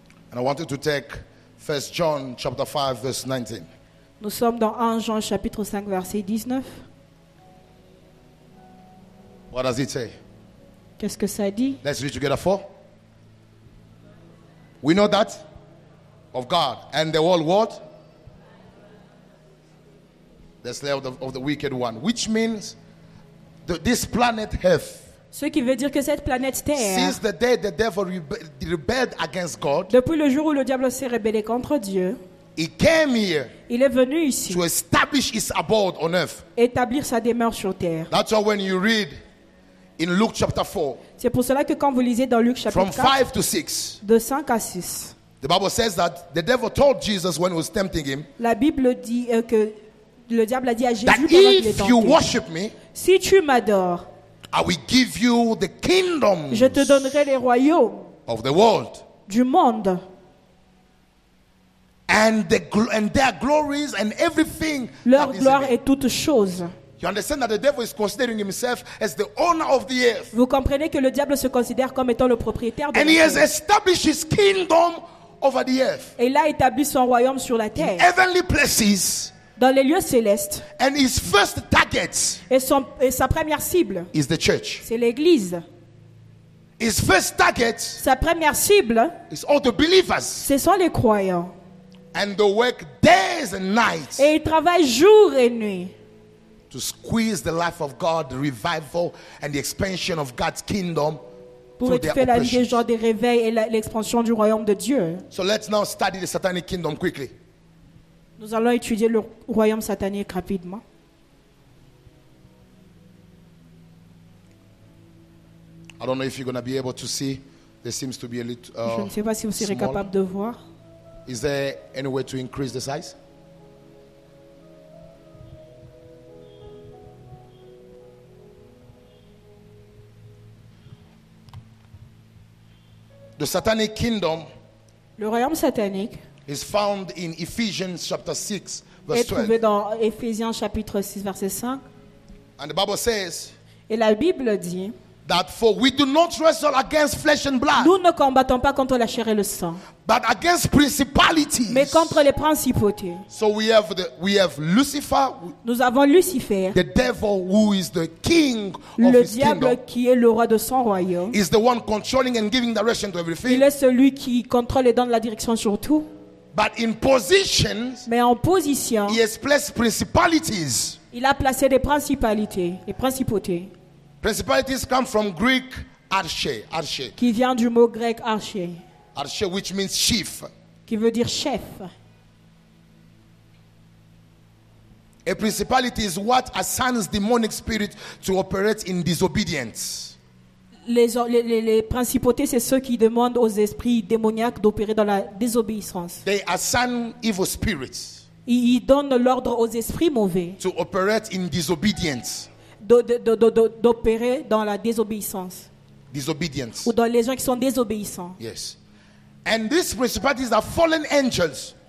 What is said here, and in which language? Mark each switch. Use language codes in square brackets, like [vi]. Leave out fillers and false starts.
[en] And I wanted to take 1 John chapter 5 verse 19. [fr] Nous sommes dans 1 Jean chapitre 5 verset 19. [en] What does it say? [fr] Qu'est-ce que ça dit? [en] Let's read together four. We know that of God and the whole world. The slave of the wicked one, which means this planet Earth. [fr] Ce qui veut dire que cette planète Terre. [en] Since the day the devil rebelled against God. [fr] Depuis le jour où le diable s'est rebellé contre Dieu. [en] He came here. [fr] Il est venu ici. [en] To establish his abode on Earth. [fr] Établir sa demeure sur Terre. [en] That's why when you read in Luke chapter 4. [fr] C'est pour cela que quand vous lisez dans Luc chapitre 4. [en] From 5 to 6. [fr] De 5 à 6. [en] The Bible says that the devil told Jesus when he was tempting him. [fr] La Bible dit que le diable a dit à Jésus [en] that [fr] pendant qu'il est tenté, [en] worship me, [fr] si tu m'adores, [en] I will give you the kingdoms, [fr] je te donnerai les royaumes [en] of the world, [fr] du monde, [en] and their glories and everything, [fr] leur gloire et toutes choses. [en] You understand that the devil is considering himself as the owner of the earth. [fr] Vous comprenez que le diable se considère comme étant le propriétaire de la terre. [en] And he has established his kingdom over the earth. [fr] Et il a établi son royaume sur la terre. [en] In heavenly places. [fr] Dans les lieux célestes. [en] And his first target. [fr] Et sa première cible. [en] Is the church. [fr] C'est l'église. [en] His first target. [fr] Sa première cible. [en] Is all the believers. [fr] Ce sont les croyants. [en] and they work days and nights. [fr] Et ils travaillent jour et nuit. [en] To squeeze the life of God, the revival and the expansion of God's kingdom. [fr] Pour étouffer la vie des gens, des réveils et l'expansion du royaume de Dieu. [en] So let's now study the satanic kingdom quickly. [fr] Nous allons étudier le royaume satanique rapidement. [en] I don't know if you're going to be able to see. There seems to be a little [fr] Je ne sais pas si vous serez capable de voir. [en] Is there any way to increase the size? The satanic kingdom, [fr] le royaume satanique, [en] is found in Ephesians chapter 6 verse 12. [fr] Est trouvé dans Ephésiens chapitre 6 verset 5. [en] And the Bible says, [fr] et la Bible dit, [en] that for we do not wrestle against flesh and blood. [fr] Nous ne combattons pas contre la chair et le sang. [en] But against principalities. [fr] Mais contre les principautés. [en] So we have Lucifer. [fr] Nous avons Lucifer. [en] The devil who is the king of his kingdom. [fr] Le diable qui est le roi de son royaume. [en] Is the one controlling and giving direction to everything. [fr] Il est celui qui contrôle et donne la direction sur tout. [en] But in positions. [fr] Mais en position. [en] He has placed principalities. [fr] Il a placé des principalités et principautés. [en] Principalities come from Greek arche, [fr] qui vient du mot grec arche. [en] Arche, which means chief, [fr] qui veut dire chef. [en] A principality is what assigns demonic spirit to operate in disobedience. [fr] Les principautés, c'est ceux qui demandent aux esprits démoniaques d'opérer dans la désobéissance. [en] They assign evil spirits. [fr] Ils donnent l'ordre aux esprits mauvais [en] to operate in disobedience. [fr] D'opérer dans la désobéissance. [en] Disobedience. [fr] Ou dans les gens qui sont désobéissants. [en] Yes. And these principalities are fallen angels.